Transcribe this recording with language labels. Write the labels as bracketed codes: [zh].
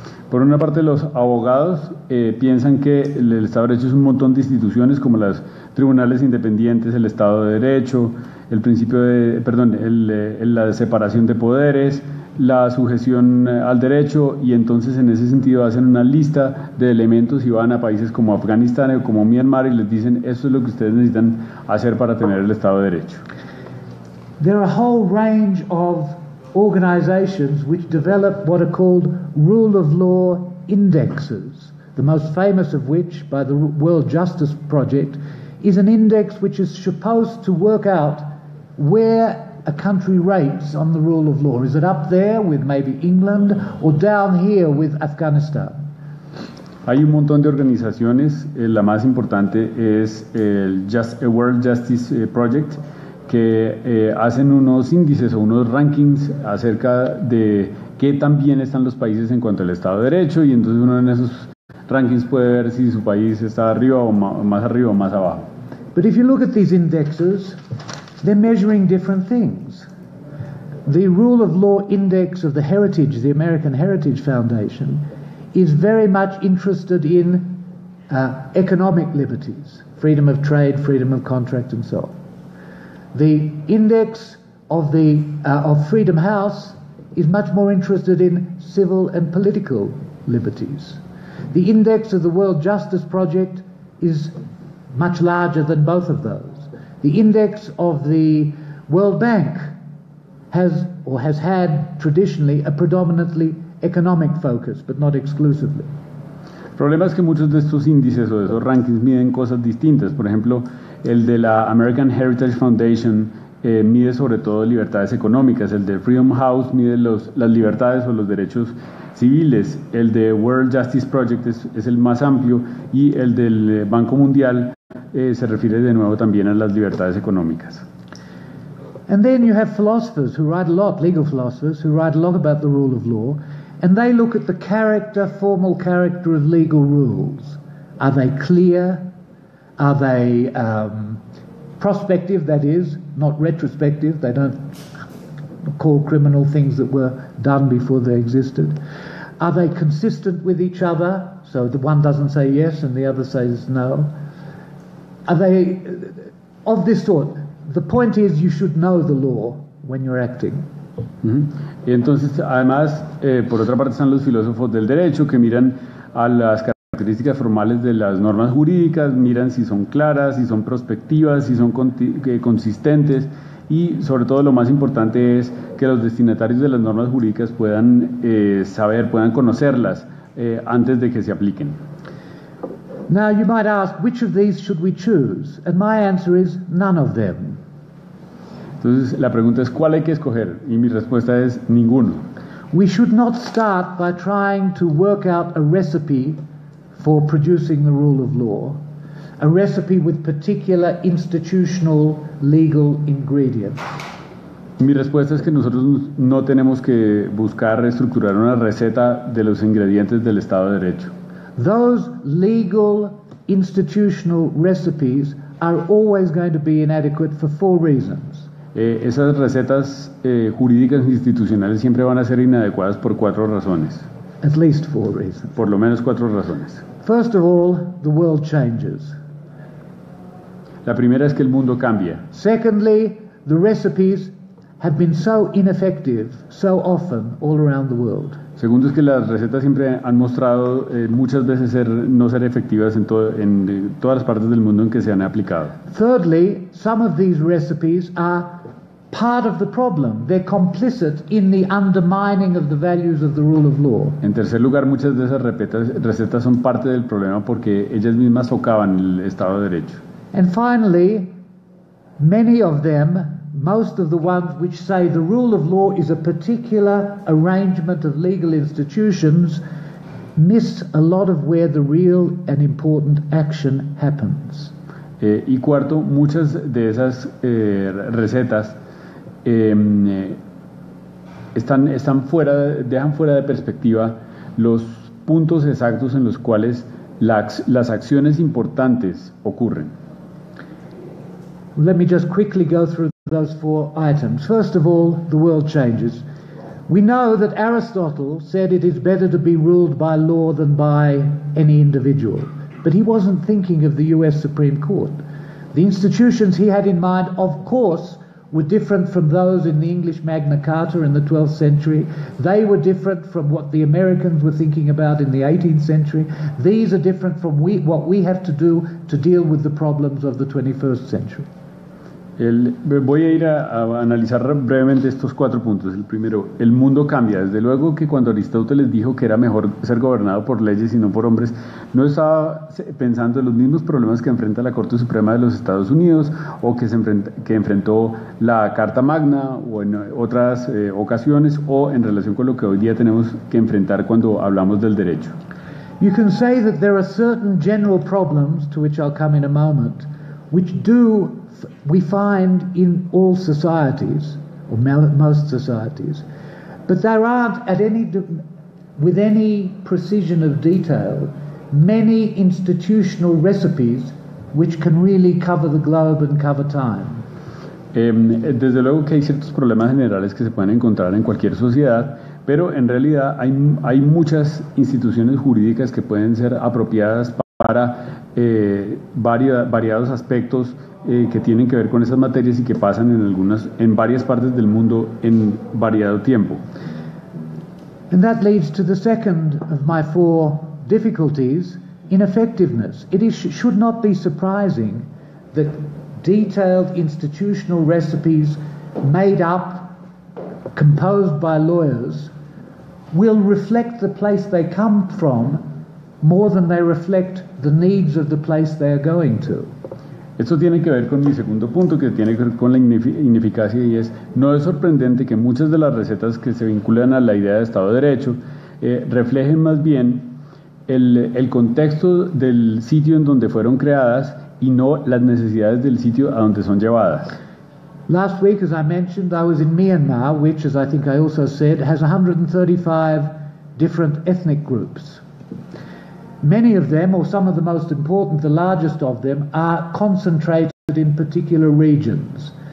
[es] Por una parte, los abogados piensan que el Estado de Derecho es un montón de instituciones como las tribunales independientes, el Estado de Derecho, el principio de, perdón, la separación de poderes, la sujeción al derecho, y entonces en ese sentido hacen una lista de elementos y van a países como Afganistán o como Myanmar y les dicen, esto es lo que ustedes necesitan hacer para tener el Estado de Derecho. [en] There are a whole range of organizations which develop what are called rule of law indexes, the most famous of which, by the World Justice Project, is an index which is supposed to work out where a country rates on the rule of law. Is it up there with maybe England or down here with Afghanistan? [es] Hay un montón de organizaciones. La más importante es el World Justice Project, que hacen unos índices o unos rankings acerca de qué tan bien están los países en cuanto al Estado de Derecho, y entonces uno en esos rankings puede ver si su país está arriba o más arriba o más abajo. [en] But if you look at these indexes, they're measuring different things. The rule of law index of the Heritage, the American Heritage Foundation, is very much interested in economic liberties, freedom of trade, freedom of contract, and so on. The index of the of Freedom House is much more interested in civil and political liberties. The index of the World Justice Project is much larger than both of those. The index of the World Bank has had traditionally a predominantly economic focus, but not exclusively. [es] El problema es que muchos de estos índices o de esos rankings miden cosas distintas. Por ejemplo, el de la American Heritage Foundation mide sobre todo libertades económicas. El de Freedom House mide las libertades o los derechos civiles. El de World Justice Project es el más amplio, y el del Banco Mundial se refiere de nuevo también a las libertades económicas. [en] And then you have philosophers who write a lot, legal philosophers who write a lot about the rule of law, and they look at the character, formal character of legal rules. Are they clear? Are they prospective, that is, not retrospective? They don't call criminal things that were done before they existed. Are they consistent with each other? So the one doesn't say yes and the other says no. Are they of this sort? The point is, you should know the law when you're acting. Mm-hmm. [es] Y entonces, además, por otra parte, están los filósofos del derecho que miran a las características formales de las normas jurídicas, miran si son claras, si son prospectivas, si son consistentes, y sobre todo lo más importante es que los destinatarios de las normas jurídicas puedan saber, puedan conocerlas antes de que se apliquen. [en] Now you might ask, which of these should we choose? And my answer is, none of them. [es] Entonces la pregunta es, ¿cuál hay que escoger? Y mi respuesta es, ninguno. [en] We should not start by trying to work out a recipe for producing the rule of law, a recipe with particular institutional legal ingredients. [es] Mi respuesta es que nosotros no tenemos que buscar estructurar una receta de los ingredientes del Estado de Derecho. [en] Those legal institutional recipes are always going to be inadequate for four reasons. [es] Esas recetas jurídicas institucionales siempre van a ser inadecuadas por cuatro razones. [en] At least four reasons. [es] Por lo menos cuatro razones. [en] First of all, the world changes. [es] La primera es que el mundo cambia. [en] Secondly, the recipes have been so ineffective so often all around the world. [es] Segundo es que las recetas siempre han mostrado muchas veces no ser efectivas en todas las partes del mundo en que se han aplicado. [en] Thirdly, some of these recipes are part of the problem. They're complicit in the undermining of the values of the rule of law. [es] En tercer lugar, muchas de esas recetas son parte del problema porque ellas mismas socavan el Estado de Derecho. [en] And finally, many of them, most of the ones which say the rule of law is a particular arrangement of legal institutions, miss a lot of where the real and important action happens. [es] Y cuarto, muchas de esas recetas están fuera, dejan fuera de perspectiva los puntos exactos en los cuales las acciones importantes ocurren. [en] Let me just quickly go through those four items. First of all, the world changes. We know that Aristotle said it is better to be ruled by law than by any individual. But he wasn't thinking of the US Supreme Court. The institutions he had in mind, of course, were different from those in the English Magna Carta in the 12th century. They were different from what the Americans were thinking about in the 18th century. These are different from what we have to do to deal with the problems of the 21st century. [es] Voy a ir a analizar brevemente estos cuatro puntos. El primero, el mundo cambia. Desde luego que cuando Aristóteles dijo que era mejor ser gobernado por leyes y no por hombres, no estaba pensando en los mismos problemas que enfrenta la Corte Suprema de los Estados Unidos o que enfrentó la Carta Magna o en otras ocasiones o en relación con lo que hoy día tenemos que enfrentar cuando hablamos del derecho. [en] You can say that there are certain general problems, to which I'll come in a moment, which do we find in all societies, or most societies, but there aren't with any precision of detail, many institutional recipes which can really cover the globe and cover time. [es] Desde luego que hay ciertos problemas generales que se pueden encontrar en cualquier sociedad, pero en realidad hay muchas instituciones jurídicas que pueden ser apropiadas para variados aspectos que tienen que ver con esas materias y que pasan en varias partes del mundo en variado tiempo. [en] And that leads to the second of my four difficulties, ineffectiveness. It should not be surprising that detailed institutional recipes made up, composed by lawyers, will reflect the place they come from more than they reflect the needs of the place they are going to. [es] Esto tiene que ver con mi segundo punto, que tiene que ver con la ineficacia, y es, no es sorprendente que muchas de las recetas que se vinculan a la idea de Estado de Derecho reflejen más bien el contexto del sitio en donde fueron creadas y no las necesidades del sitio a donde son llevadas. [en] Last week, as I mentioned, I was in Myanmar, which, as I think I also said, has 135 different ethnic groups. Many of them, or some of the most important, the largest of them, are concentrated in particular regions.